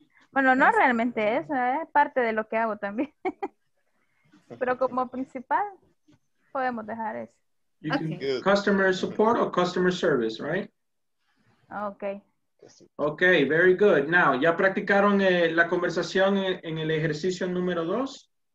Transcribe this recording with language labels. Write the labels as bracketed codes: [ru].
[es] Bueno, no realmente es, parte de lo que hago también. Pero como principal, podemos dejar eso. [en] You can get customer support or customer service, right? Okay. Okay, very good. [es] Now, ¿ya practicaron la conversación en el ejercicio número dos?